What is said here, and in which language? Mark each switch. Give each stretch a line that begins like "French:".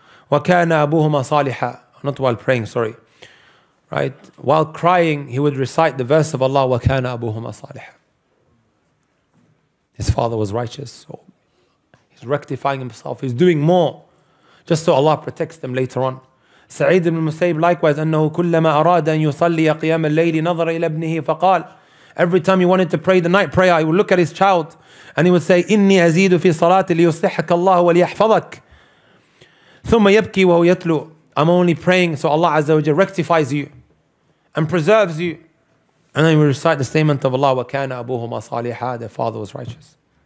Arabic: وَكَانَ أَبُوهُمَا صَالِحًا.
English: Not while praying, sorry. Right, while crying, he would recite the verse of Allah,
Arabic: وَكَانَ أَبُوهُمَا صَالِحًا.
English: His father was righteous, so he's rectifying himself, he's doing more, just so Allah protects them later on.
Arabic: Sa'id ibn Musayyib,
English: likewise,
Arabic: أَنَّهُ كُلَّمَا أَرَادَ أَن يُصَلِّيَ قِيَامَ اللَّيْلِ نَظَرَ إِلَى ابْنِهِ فَقَالَ.
English: Every time he wanted to pray the night prayer, he would look at his child, and he would say,
Arabic: إِنِّي أَزِيدُ فِي صَلَاتِ لِيُصْلِحَكَ اللَّهُ وَلِيَحْفَظَكَ ثُمَّ يَبْكِي وَهُوَ يَتْلُو.
English: I'm only praying so Allah Azza wa Jalla rectifies you and preserves you. And then we recite the statement of Allah,
Arabic: وَكَانَ أَبُوهُمَا صَالِحًا.
English: Their father was righteous.